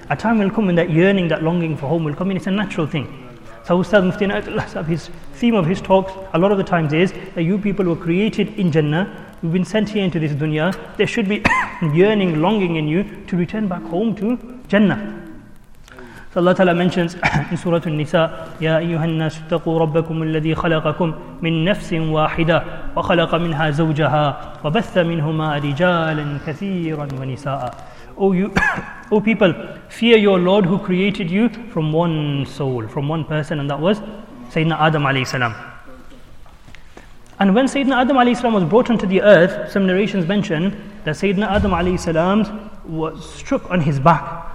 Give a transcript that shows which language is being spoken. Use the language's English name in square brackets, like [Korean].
[English] A time will come when that yearning, that longing for home will come in. It's a natural thing. So Ustaz Mufti Naitullah Sahib, his theme of his talks a lot of the times is that you people were created in Jannah. We've been sent here into this dunya. There should be yearning, longing in you to return back home to Jannah. So Allah Ta'ala mentions in Surah An-Nisa, [Arabic] يَا أَيُّهَا النَّاسُ اتَّقُوا رَبَّكُمُ الَّذِي خَلَقَكُمْ مِنْ نَفْسٍ وَاحِدَةٍ وَخَلَقَ مِنْهَا زَوْجَهَا وَبَثَّ مِنْهُمَا رِجَالًا كَثِيرًا وَنِسَاءً. [English] O people, fear your Lord who created you from one soul, from one person, and that was Sayyidina Adam alayhi salam. And when Sayyidina Adam alayhi salam was brought onto the earth, some narrations mention that Sayyidina Adam alayhi salam was struck on his back.